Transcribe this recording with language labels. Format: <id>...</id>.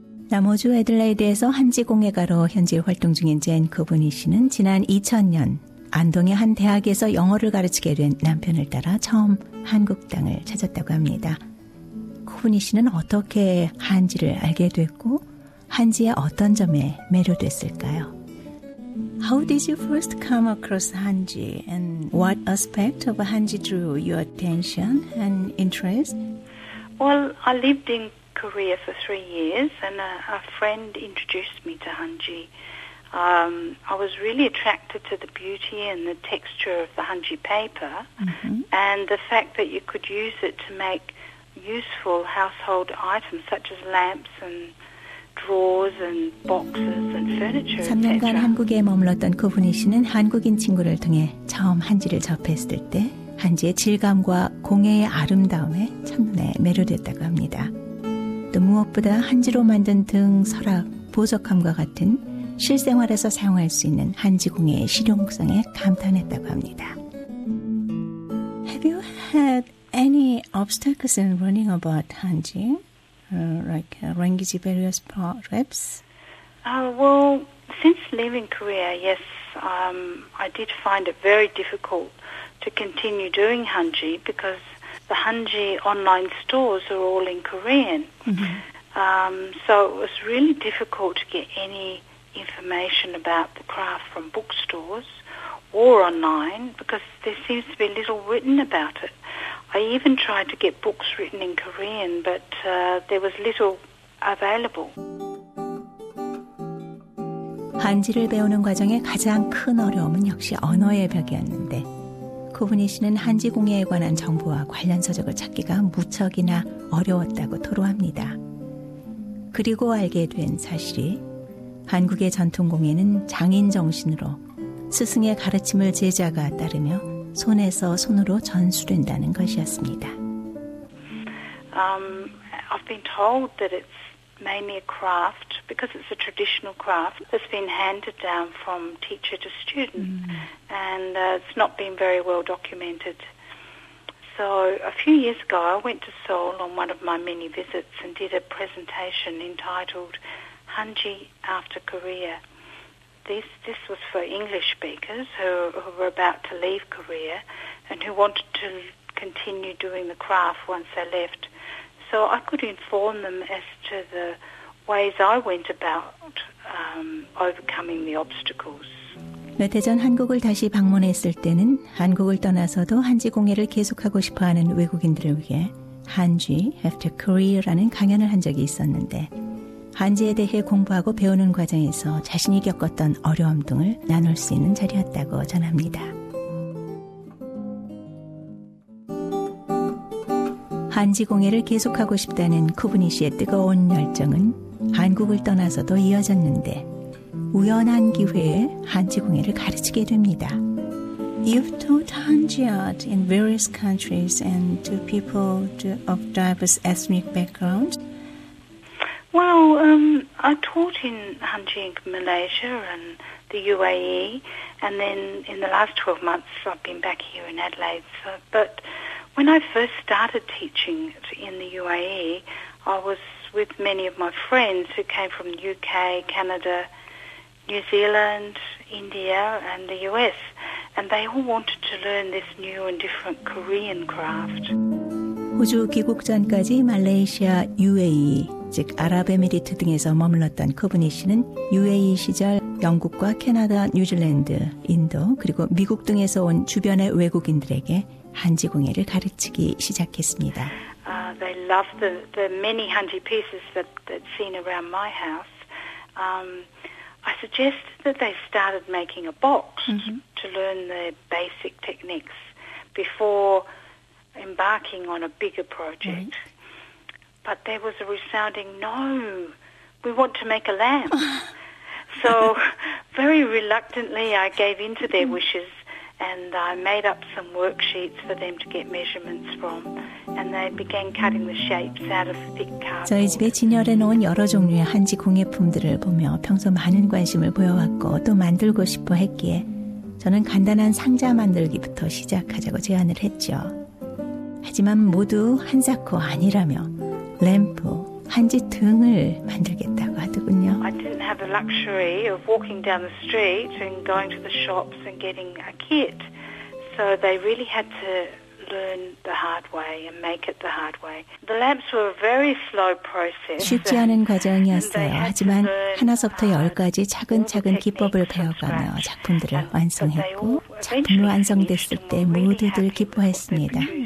<ko>남호주 애들레이드에서 한지 공예가로 현재 활동 중인 젠 코브니시는 지난 2000년 안동의 한 대학에서 영어를 가르치게 된 남편을 따라 처음 한국 땅을 찾았다고 합니다. 코브니시는 어떻게 한지를 알게 됐고 한지의 어떤 점에 매료됐을까요?</ko> <en>How did you first come across Hanji and what aspect of Hanji drew your attention and interest? Well, I lived in Korea for 3 years and a friend introduced me to Hanji. I was really attracted to the beauty and the texture of the Hanji paper and the fact that you could use it to make useful household items such as lamps and drawers and boxes and furniture.</en> <ko>3년간 한국에 머물렀던 코브니 씨는 한국인 친구를 통해 처음 한지를 접했을 때 한지의 질감과 공예의 아름다움에 첫눈에 매료됐다고 합니다. 또 무엇보다 한지로 만든 등 서랍, 보석함과 같은 실생활에서 사용할 수 있는 한지 공예의 실용성에 감탄했다고 합니다.</ko> <en>Have you had any obstacles in learning about Hanji? Like language barriers, perhaps? Well, since leaving Korea, yes, I did find it very difficult to continue doing Hanji because the Hanji online stores are all in Korean. So it was really difficult to get any information about the craft from bookstores or online because there seems to be little written about it. I even tried to get books written in Korean, but there was little available.</en> <ko>한지를 배우는 과정의 가장 큰 어려움은 역시 언어의 벽이었는데 코브니 씨는 한지 공예에 관한 정보와 관련 서적을 찾기가 무척이나 어려웠다고 토로합니다. 그리고 알게 된 사실이 한국의 전통 공예는 장인 정신으로 스승의 가르침을 제자가 따르며 손에서 손으로 전수된다는 것이었습니다.</ko> <en>I've been told that it's mainly a craft because it's a traditional craft that's been handed down from teacher to student and it's not been very well documented. So a few years ago I went to Seoul on one of my many visits and did a presentation entitled Hanji After Korea. This was for English speakers who were about to leave Korea and who wanted to continue doing the craft once they left. So I could inform them as to the ways I went about overcoming the obstacles.</en> <ko>몇 해 전 한국을 다시 방문했을 때는 한국을 떠나서도 한지 공예를 계속하고 싶어하는 외국인들을 위해 한지 After Korea라는 강연을 한 적이 있었는데 한지에 대해 공부하고 배우는 과정에서 자신이 겪었던 어려움 등을 나눌 수 있는 자리였다고 전합니다. 한지 공예를 계속하고 싶다는 쿠브니 씨의 뜨거운 열정은 한국을 떠나서도 이어졌는데 우연한 기회에 한지 공예를 가르치게 됩니다.</ko> <en>You've taught Hanji art in various countries and to people of diverse ethnic backgrounds. Well, I taught in Hanji in Malaysia and the UAE, and then in the last 12 months I've been back here in Adelaide. So, but when I first started teaching in the UAE, I was with many of my friends who came from the UK, Canada, New Zealand, India and the US, and they all wanted to learn this new and different Korean craft.</en> <ko>호주 귀국 전까지 말레이시아, UAE, 즉 아랍에미리트 등에서 머물렀던 쿠브니 씨는 UAE 시절 영국과 캐나다, 뉴질랜드, 인도 그리고 미국 등에서 온 주변의 외국인들에게 한지 공예를 가르치기 시작했습니다.</ko> <en>They love the many Hanji pieces that's seen around my house. I suggest that they started making a box to learn the basic techniques before embarking on a bigger project. But there was a resounding no, we want to make a lamp. So very reluctantly I gave in to their wishes and I made up some worksheets for them to get measurements from and they began cutting the shapes out of thick cardboard.</en> <ko>저희 집에 진열해 놓은 여러 종류의 한지 공예품들을 보며 평소 많은 관심을 보여왔고 또 만들고 싶어 했기에 저는 간단한 상자 만들기부터 시작하자고 제안을 했죠. 하지만 모두 한사코 아니라며 램프, 한지 등을 만들겠다고 하더군요.</ko> <en>I didn't have the luxury of walking down the street and going to the shops and getting a kit. So they really had to learn the hard way and make it the hard way. The lamps were a very slow process.</en> <ko>쉽지 않은 과정이었어요. 하지만 하나서부터 열까지 차근차근 기법을 배워가며 작품들을 완성했고 작품이 완성됐을 때 모두들 기뻐했습니다.</ko>